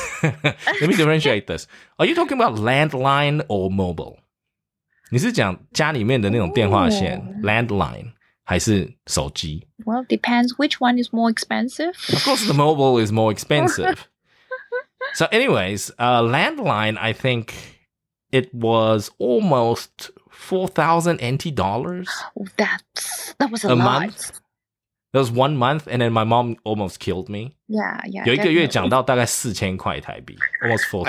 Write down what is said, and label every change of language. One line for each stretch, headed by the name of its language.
English: Let me differentiate this. Are you talking about landline or mobile?
Chinese: 你是讲家里面的那种电话线 ，landline 还是手机
English: ？Well, depends which one is more expensive. Of course, the mobile is more expensive. So, anyways, landline, I think. It was almost $4,000 NT. That was a lot. Month. That was 1 month, and then my mom almost killed me. Yeah.
Chinese: 有一个月讲到大概4000块台币
English: almost 4,000.